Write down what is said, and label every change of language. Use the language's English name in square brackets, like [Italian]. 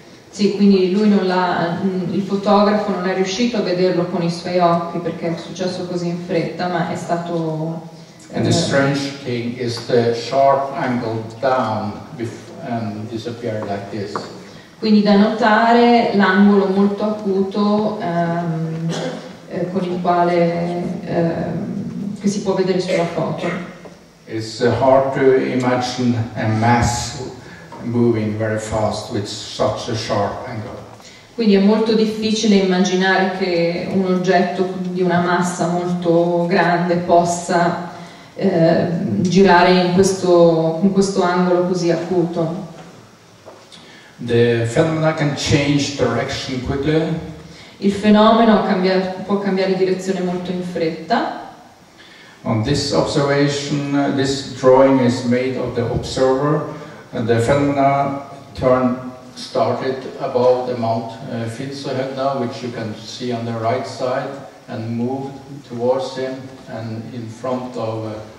[Italian] Sì, quindi lui il fotografo non è riuscito a vederlo con i suoi occhi perché è successo così in fretta, ma è stato. [English] And the strange thing is the sharp angle down and disappear like this. [Italian] Quindi da notare l'angolo molto acuto con il quale che si può vedere sulla foto. [English] It's hard to imagine a mass moving very fast with such a sharp angle. [Italian] Quindi è molto difficile immaginare che un oggetto di una massa molto grande possa girare in questo angolo così acuto. [English] The phenomena can change direction quickly. [Italian] Il fenomeno può cambiare direzione molto in fretta. [English] On this observation, this drawing is made of the observer, and the phenomena started above the Mount Finsehöna, which you can see on the right side, and moved towards him and in front of